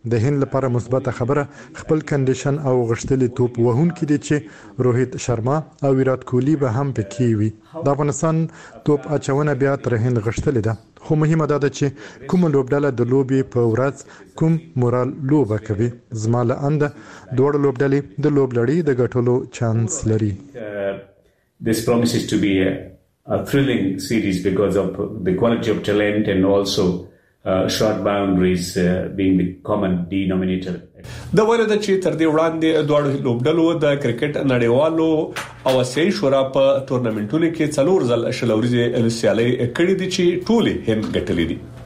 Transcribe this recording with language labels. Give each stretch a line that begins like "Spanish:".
Pashto: د هند لپاره مثبته خبره خپل کنډیشن او غښتلي توپ وهونکي دي چې روهیت شرما او ویرات کوهلی به هم پکې وي. د افغانستان توپ اچونه بیا تر هند غښتلې ده، خو مهمه دا ده چې کوم لوبډله د لوبې په ورځ کوم مورال لوبه کوي. زما له انده دواړه لوبډلې د لوبلړۍ د ګټلو چانس لري.
English: This promises to be a thrilling series because of the quality of talent and also short boundaries being the common denominator.
Pashto: د وړو د چې تر دې وړاندې دوه لوبډلو د کرکټ نړیوالو او آسیایي شورا په تورنمنټونو کې څلور ځل شل اوریزه سیالۍ کړې دي چې ټولې هم ګټلې دي.